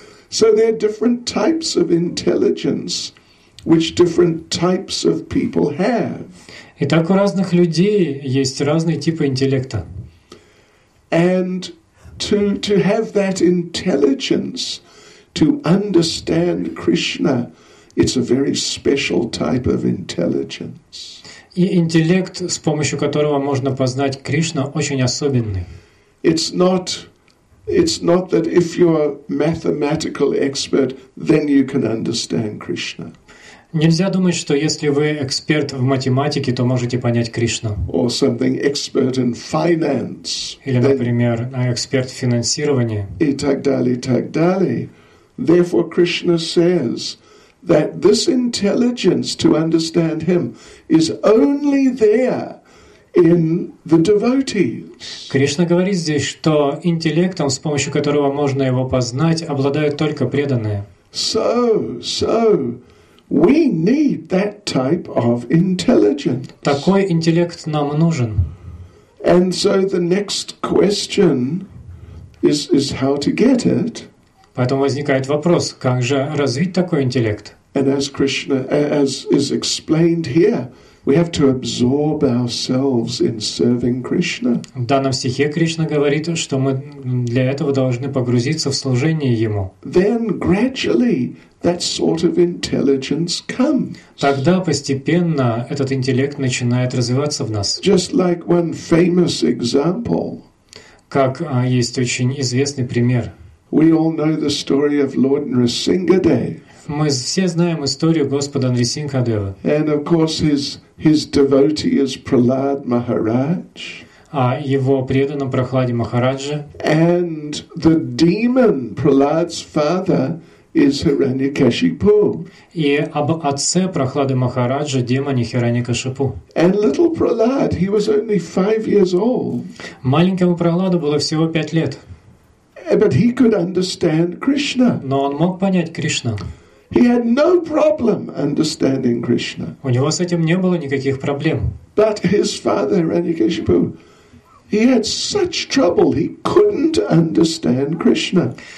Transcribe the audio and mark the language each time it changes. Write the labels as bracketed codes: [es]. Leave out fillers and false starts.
[en] So there are different types of intelligence which different types of people have. [ru] Итак, у разных людей есть разные типы интеллекта. [en] And to have that intelligence to understand Krishna, it's a very special type of intelligence. [ru] И интеллект, с помощью которого можно познать Кришну, очень особенный. [en] It's not that if you're a mathematical expert, then you can understand Krishna. [ru] Нельзя думать, что если вы эксперт в математике, то можете понять Кришну. [en] Or something expert in finance. [ru] Или, например, эксперт в финансировании. И так далее, и так далее. [en] Therefore, Krishna says that this intelligence to understand Him is only there in the devotees. [ru] Кришна говорит здесь, что интеллектом, с помощью которого можно его познать, обладают только преданные. [en] So we need that type of intelligence. [ru] Такой интеллект нам нужен. [en] And so the next question is how to get it. [ru] Поэтому возникает вопрос, как же развить такой интеллект? [en] And as Krishna, as is explained here, we have to absorb ourselves in serving Krishna. [ru] В данном стихе Кришна говорит, что мы для этого должны погрузиться в служение Ему. [en] Then gradually that sort of intelligence comes. [ru] Тогда постепенно этот интеллект начинает развиваться в нас. [en] Just like one famous example. [ru] Как есть очень известный пример. [en] We all know the story of Lord Narasingadev. [ru] мы все знаем историю Господа Нарисимхадева. [en] And of course his devotee is Prahlad Maharaj. [ru] А его преданным Прахладе Махараджа. [en] And the demon, Prahlad's father, is Hiranyakashipu. [ru] И об отце Прахлады Махараджа, демоне Хираньякашипу. [en] And little Prahlad, he was only 5 years old. [ru] Маленькому Прахладу было всего 5 лет. [en] But he could understand Krishna. [ru] Но он мог понять Кришну. [en] He had no problem understanding Krishna. [ru] У него с этим не было никаких проблем. [en] But his father, Hiranyakashipu, he had such trouble, he couldn't understand Krishna.